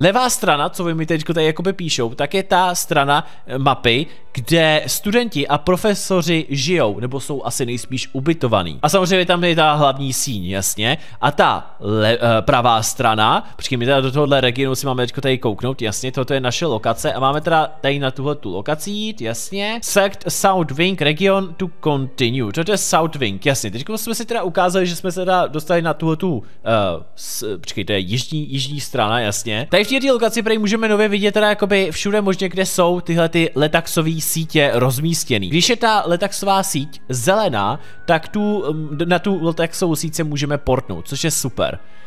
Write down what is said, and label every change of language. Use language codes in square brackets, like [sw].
[cs] Levá strana, co vy mi teďko tady jakoby píšou, tak je ta strana mapy, kde studenti a profesoři žijou, nebo jsou asi nejspíš ubytovaní. A samozřejmě tam je ta hlavní síň, jasně. A ta pravá strana, protože my teda do tohohle regionu si máme teďko tady kouknout, jasně, toto je naše lokace a máme teda tady na tuhle tu lokaci jít, jasně. [en] Sect South Wing region to continue. [cs] Toto je South Wing, jasně. Teď jsme si teda ukázali, že jsme se teda dostali na tuhletu, to je jižní strana, jasně. Tady v této lokaci prý můžeme nově vidět teda jakoby všude možně, kde jsou tyhle ty letaxové sítě rozmístěný. Když je ta letaxová síť zelená, tak tu, na tu letaxovou síť se můžeme portnout, což je super.